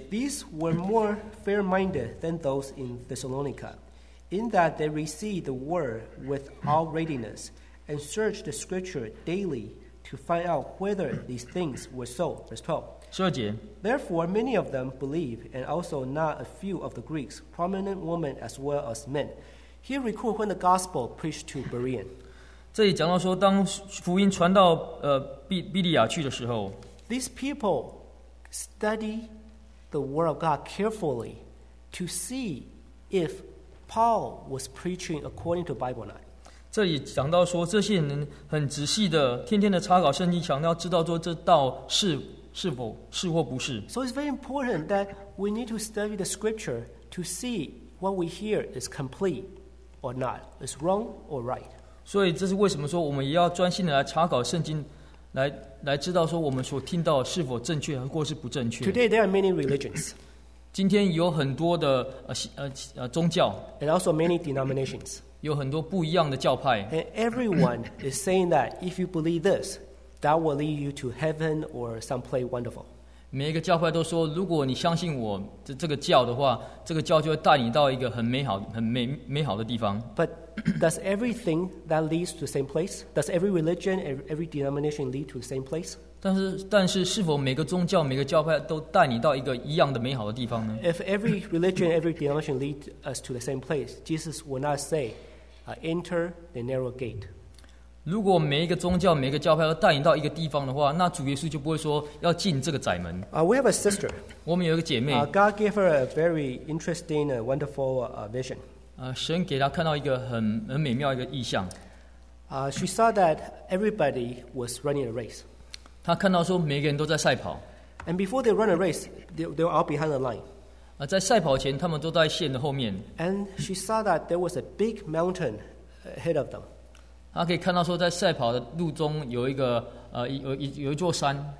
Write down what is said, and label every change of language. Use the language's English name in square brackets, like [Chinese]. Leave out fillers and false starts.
[English] These were more fair-minded than those in Thessalonica, in that they received the word with all readiness. And search the scripture daily to find out whether these things were so. Verse 12. [Chinese] 十二节。 [English] Therefore, many of them believe, and also not a few of the Greeks, prominent women as well as men. Here record when the gospel preached to Berean. [Chinese] 这里讲到说，当福音传到比利亚去的时候。 [English] These people study the word of God carefully to see if Paul was preaching according to Bible or not. [Chinese] 这里讲到说，这些人很仔细的、天天的查考圣经，想要知道说这道是否是或不是。 [English] So it's very important that we need to study the scripture to see what we hear is complete or not, is wrong or right. [Chinese] 所以这是为什么说我们也要专心的来查考圣经，来知道说我们所听到是否正确或是不正确。 [English] Today there are many religions. [Chinese] 今天有很多的宗教。 [English] And also many denominations. [Chinese] 有很多不一样的教派。 [English] And everyone is saying that if you believe this, that will lead you to heaven or some place wonderful. [Chinese] 每一个教派都说，如果你相信我这个教的话，这个教就会带你到一个很美好的地方。 [English] But does everything that leads to the same place? Does every religion, every denomination lead to the same place? [Chinese] 但是是否每个宗教每个教派都带你到一个一样的美好的地方呢 [English] ？If every religion, every denomination lead us to the same place, Jesus will not say, "Enter the narrow gate." [Chinese] 如果每一个宗教、每一个教派都带你到一个地方的话，那主耶稣就不会说要进这个窄门。 [English] We have a sister. [Chinese] 我们有一个姐妹。 [English] God gave her a very interesting, wonderful vision. [Chinese] 神给她看到一个很美妙一个意象。 [English] She saw that everybody was running a race. [Chinese] 她看到说每个人都在赛跑。 [English] And before they run a race, they're all behind the line. [Chinese] 在赛跑前，他们都在线的后面。 [English] And she saw that there was a big mountain ahead of them. [Chinese] 她可以看到说，在赛跑的路中有一个有一座山。